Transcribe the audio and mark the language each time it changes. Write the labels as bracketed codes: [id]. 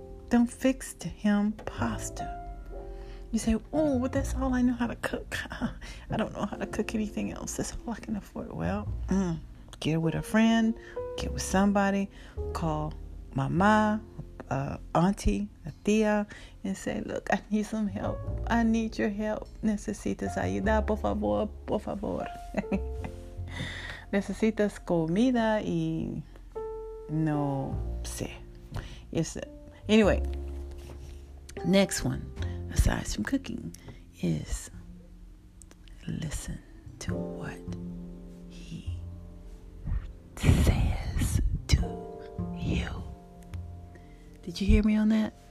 [en] Don't fix to him pasta. You say, oh, but that's all I know how to cook. I don't know how to cook anything else. That's all I can afford. Well, get with a friend. Get with somebody. Call mama, auntie, a tia, and say, look, I need some help. I need your help. [es] Necesitas ayuda, por favor, por favor. Necesitas comida y no sé. [en] Yes. Anyway, next one, aside from cooking, is listen to what he says to you. Did you hear me on that?